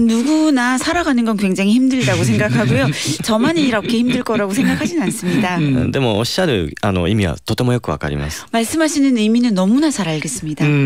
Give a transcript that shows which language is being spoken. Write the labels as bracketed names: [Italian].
[Korean] 누구나 살아가는 건 굉장히 힘들다고 생각하고요. 저만이 이렇게 힘들 거라고 생각하진 않습니다. [Japanese] でもおっしゃる意味はとてもよくわかります。 [Korean] 말씀하시는 의미는 너무나 잘 알겠습니다.